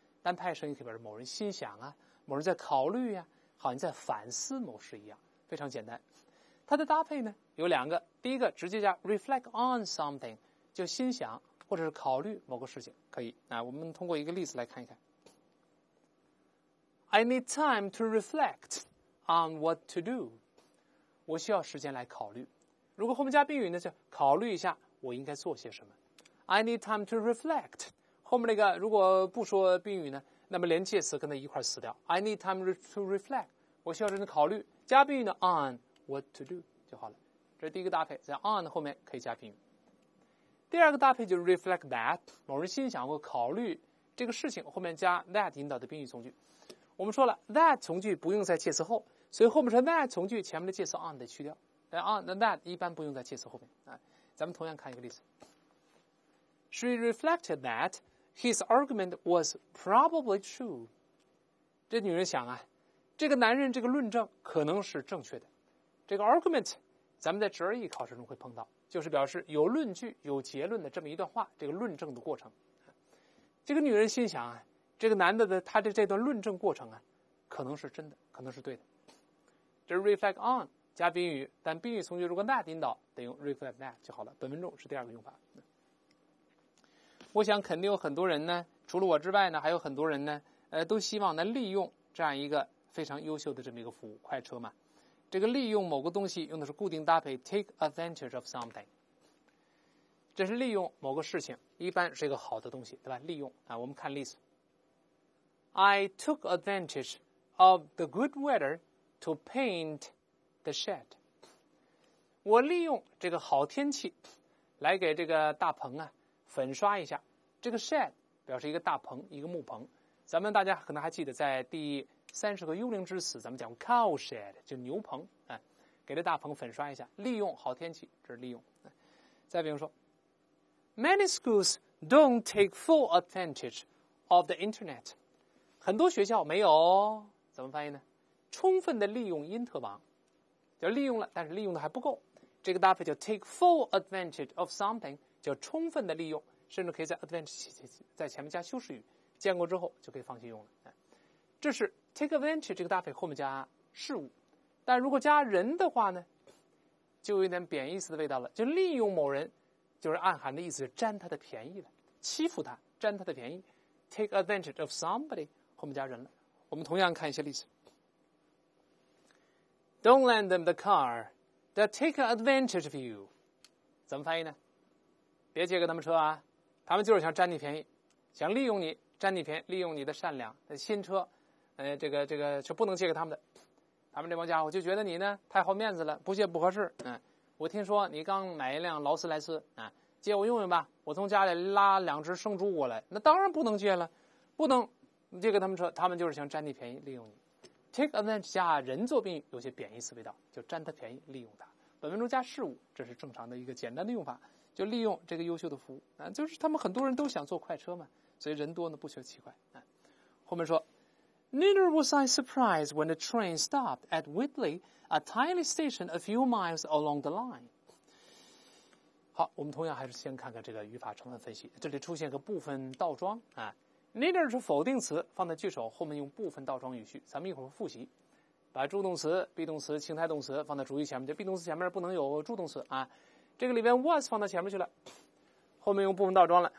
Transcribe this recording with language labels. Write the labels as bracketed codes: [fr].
[zh] 单派声音可以表示某人心想啊，某人在考虑啊，好像在反思某事一样，非常简单。它的搭配呢有两个，第一个直接加 [en] reflect on something， [zh] 就心想或者是考虑某个事情，可以。那我们通过一个例子来看一看。 [en] I need time to reflect on what to do。 [zh] 我需要时间来考虑。如果后面加宾语呢，就考虑一下我应该做些什么。 [en] I need time to reflect。 [zh] 后面那个如果不说宾语呢，那么连介词跟它一块死掉。 [en] I need time to reflect， [zh] 我需要认真考虑。加宾语呢 ， [en] on what to do [zh] 就好了。这是第一个搭配，在 on 后面可以加宾语。第二个搭配就是 [en] reflect that， [zh] 某人心想或考虑这个事情，后面加 that 引导的宾语从句。我们说了 ，that 从句不用在介词后，所以后面说 that 从句前面的介词 on 得去掉。 on 那 that 一般不用在介词后面啊。咱们同样看一个例子。 [en] She reflected that his argument was probably true. [zh] 这女人想啊，这个男人这个论证可能是正确的。这个 argument 咱们在GRE考试中会碰到，就是表示有论据有结论的这么一段话，这个论证的过程。这个女人心想啊，这个男的的他的这段论证过程啊可能是真的，可能是对的。这 [en] reflect on [zh] 加宾语，但宾语从句如果 that 引导得用 [en] reflect that [zh] 就好了。本文中是第二个用法。我想肯定有很多人呢，除了我之外呢，还有很多人呢，都希望呢利用这样一个非常优秀的这么一个服务，快车嘛。这个利用某个东西用的是固定搭配 [en] take advantage of something， [zh] 这是利用某个事情，一般是一个好的东西，对吧？利用啊，我们看例子。 [en] I took advantage of the good weather to paint the shed。 [zh] 我利用这个好天气来给这个大棚啊粉刷一下。这个 shed 表示一个大棚，一个木棚。咱们大家可能还记得，在第30个幽灵之死，咱们讲过 [en] cow shed， [zh] 就牛棚，哎，给这大棚粉刷一下，利用好天气，这是利用。再比如说 [en] ，Many schools don't take full advantage of the internet。 [zh] 很多学校没有，怎么翻译呢？充分的利用因特网，就利用了，但是利用的还不够。这个搭配叫 [en] take full advantage of something。 [zh] 叫充分的利用，甚至可以在 advantage 在前面加修饰语，见过之后就可以放心用了。这是 [en] take advantage [zh] 这个搭配后面加事物，但如果加人的话呢，就有点贬义词的味道了，就利用某人，就是暗含的意思，占他的便宜了，欺负他，占他的便宜。 [en] take advantage of somebody [zh] 后面加人了。我们同样看一些例子。 [en] Don't lend them the car, they'll take advantage of you. [zh] 怎么翻译呢？别借给他们车啊，他们就是想占你便宜，想利用你，占你便宜，利用你的善良。新车这个是不能借给他们的，他们这帮家伙就觉得你呢太好面子了，不借不合适。我听说你刚买一辆劳斯莱斯啊，借我用用吧，我从家里拉两只生猪过来。那当然不能借了，不能借给他们车，他们就是想占你便宜，利用你。 [en] take advantage [zh] 加人作宾语有些贬义词味道，就占他便宜，利用他。本文中加事物，这是正常的一个简单的用法，就利用这个优秀的服务啊，就是他们很多人都想坐快车嘛，所以人多呢不觉奇怪啊。后面说 [en] Neither was I surprised when the train stopped at Whitley, a tiny station a few miles along the line. [zh] 好，我们同样还是先看看这个语法成分分析。这里出现个部分倒装啊， Neither 是否定词，放在句首后面用部分倒装语序，咱们一会儿复习。把助动词、be动词、情态动词放在主语前面，就be动词前面不能有助动词啊。这个里边 was 放到前面去了，后面用部分倒装了。